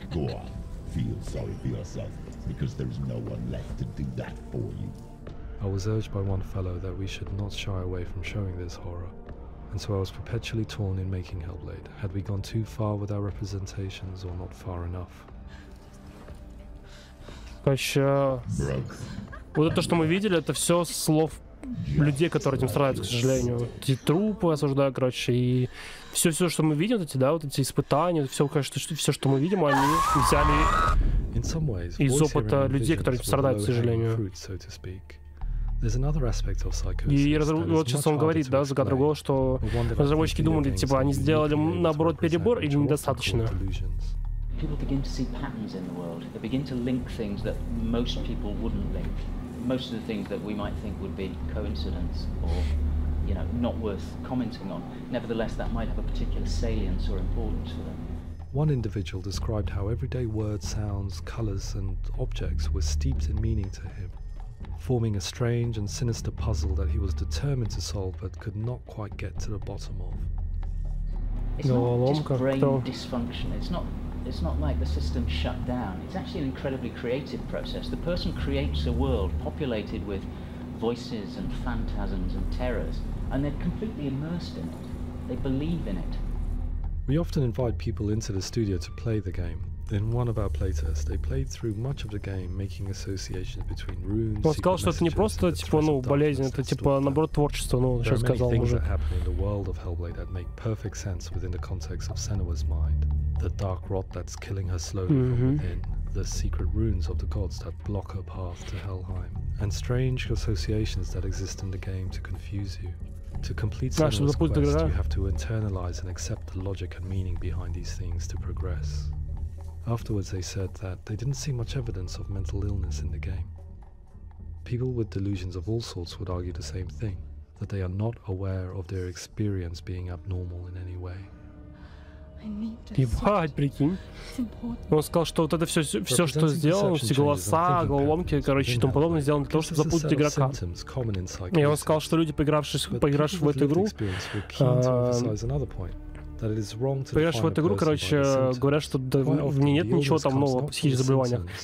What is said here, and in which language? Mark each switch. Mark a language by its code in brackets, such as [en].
[en] Go on, feel sorry for yourself, because there's no one left to do that for you. I was urged by one fellow that we should not shy away from showing this horror, and so I was perpetually torn in making Hellblade. Had we gone too far with our representations, or not far enough? Broke. [ru] Вот это, что мы видели, это все слов людей, которые этим страдают, к сожалению. Эти трупы осуждают, короче, и все, что мы видим, эти, да, вот эти испытания, все, конечно, все, что мы видим, они взяли из опыта людей, которые этим страдают, к сожалению. [en] There's another aspect of psychosis. [ru] И вот сейчас он говорит, да, за кадром голос, что разработчики думали, типа, они сделали наоборот перебор или недостаточно. [en] People begin to see patterns in the world. They begin to link things that most people wouldn't link. Most of the things that we might think would be coincidence or, you know, not worth commenting on. Nevertheless, that might have a particular salience or importance for them. One individual described how everyday words, sounds, colors, and objects were steeped in meaning to him, forming a strange and sinister puzzle that he was determined to solve but could not quite get to the bottom of. It's not just brain dysfunction. It's not like the system shut down. It's actually an incredibly creative process. The person creates a world populated with voices and phantasms and terrors, and they're completely immersed in it. They believe in it. We often invite people into the studio to play the game. In one of our playtests, they played through much of the game, making associations between runes. [ru] Он сказал, что это не просто типа, ну, болезнь, это типа наоборот творчество, ну, сейчас сказал уже. [en] That happen in the world of Hellblade that make perfect sense within the context of Senua's mind. The dark rot that's killing her slowly from within. The secret runes of the gods that block her path to Helheim. And strange associations that exist in the game to confuse you. To complete Senua's quest, you have to internalize and accept the logic and meaning behind these things to progress. Afterwards, they said that they didn't see much evidence of mental illness in the game. People with delusions of all sorts would argue the same thing, that they are not aware of their experience being abnormal in any way. [ru] Ебать, прикинь. Он сказал, что вот это все что сделано, все голоса, головоломки, короче, и тому подобное, сделано для того, чтобы запутать игрока. И он сказал, что люди, поигравшись в эту игру, поиграешь в эту игру, короче, говорят, что да, в ней нет ничего там нового в психических заболеваниях.